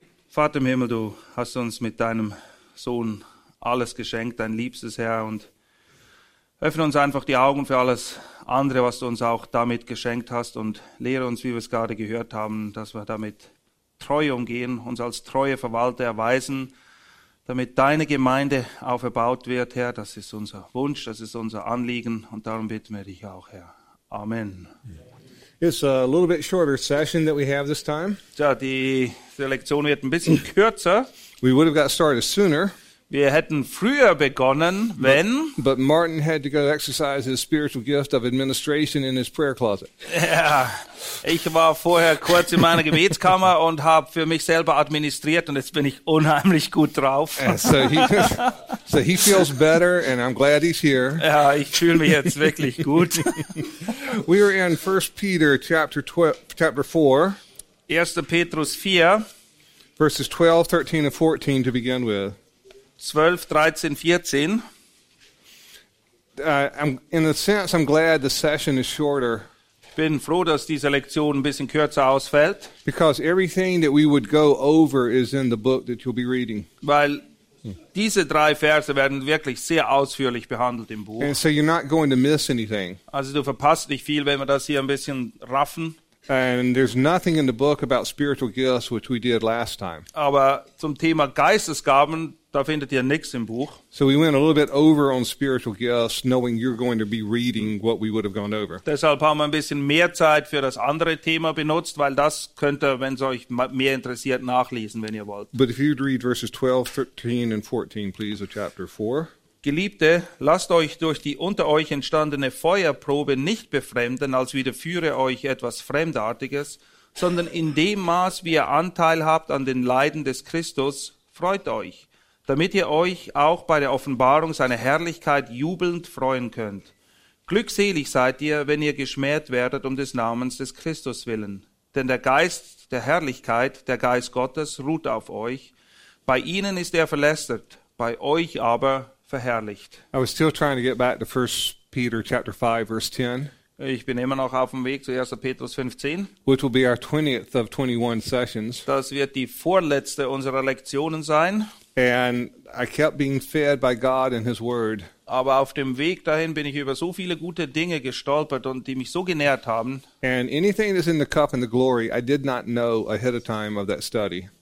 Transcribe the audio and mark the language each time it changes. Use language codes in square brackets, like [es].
[de] Vater im Himmel, du hast uns mit deinem Sohn alles geschenkt, dein liebstes Herr, und öffne uns einfach die Augen für alles andere, was du uns auch damit geschenkt hast, und lehre uns, wie wir es gerade gehört haben, dass wir damit treu umgehen, uns als treue Verwalter erweisen, damit deine Gemeinde aufgebaut wird, Herr. Das ist unser Wunsch, das ist unser Anliegen, und darum bitten wir dich auch, Herr. Amen. [en] It's a little bit shorter session that we have this time. [de] Ja, die Lektion wird ein bisschen kürzer. [en] We would have got started sooner. [de] Wir hätten früher begonnen, wenn. [en] But Martin had to go exercise his spiritual gift of administration in his prayer closet. [de] Ja, ich war vorher kurz in meiner Gebetskammer und habe für mich selber administriert, und jetzt bin ich unheimlich gut drauf. [en] So he feels better, and I'm glad he's here. [de] Ja, ich fühle mich jetzt wirklich gut. [en] We are in 1 Peter chapter 4. [de] 1. Petrus 4, [en] verses 12, 13, and 14 to begin with. [de] 12, 13, 14. [en] I'm glad the session is shorter. [de] Ich bin froh, dass diese Lektion ein bisschen kürzer ausfällt. [en] Because everything that we would go over is in the book that you'll be reading. [de] Weil diese drei Verse werden wirklich sehr ausführlich behandelt im Buch. [en] And so you're not going to miss anything. [de] Also du verpasst nicht viel, wenn wir das hier ein bisschen raffen. [en] And there's nothing in the book about spiritual gifts, which we did last time. [de] Aber zum Thema Geistesgaben, da findet ihr nichts im Buch. [en] So we went a little bit over on spiritual gifts, knowing you're going to be reading what we would have gone over. [de] Deshalb haben wir ein bisschen mehr Zeit für das andere Thema benutzt, weil das könnt ihr, wenn es euch mehr interessiert, nachlesen, wenn ihr wollt. [en] But if you'd read verses 12, 13 and 14, please, of chapter 4. [de] Geliebte, lasst euch durch die unter euch entstandene Feuerprobe nicht befremden, als widerführe euch etwas Fremdartiges, sondern in dem Maß, wie ihr Anteil habt an den Leiden des Christus, freut euch, damit ihr euch auch bei der Offenbarung seiner Herrlichkeit jubelnd freuen könnt. Glückselig seid ihr, wenn ihr geschmäht werdet um des Namens des Christus willen. Denn der Geist der Herrlichkeit, der Geist Gottes, ruht auf euch. Bei ihnen ist er verlästert, bei euch aber [en] I was still trying to get back to 1 Peter chapter 5 verse 10. [de] Ich bin immer noch auf dem Weg zu 1. Petrus 5:10. [en] Which will be our 20th of 21 sessions. [de] Das wird die vorletzte unserer Lektionen sein. [en] And I kept being fed by God and his word. [de] Aber auf dem Weg dahin bin ich über so viele gute Dinge gestolpert und die mich so genährt haben. [en] And anything that's in the cup and the glory, I did not know ahead of time of that study.